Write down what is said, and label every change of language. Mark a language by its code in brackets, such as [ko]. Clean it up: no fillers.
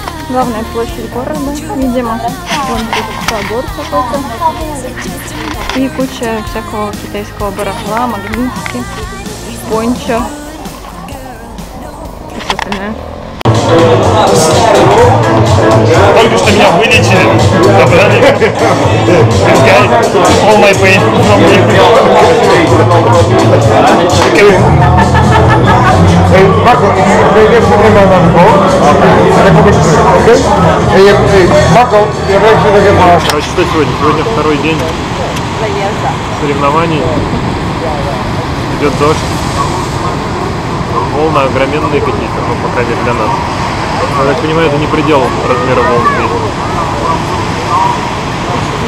[ru] Главная площадь города, видимо. Вон тут собор какой-то. И куча всякого китайского барахла, магнитики, пончо. И все остальное. Только что меня вылечили, забрали. Пускай, [en] all my pain from me. Okay. [es] Marco, ¿qué es tu problema, Marco? Okay. Marco, ¿qué es tu problema? [ru] Короче, что сегодня? Сегодня второй день соревнований. Идет дождь. Волны огроменные какие-то, ну, по крайней мере, для нас. Но, я понимаю, это не предел размера волны.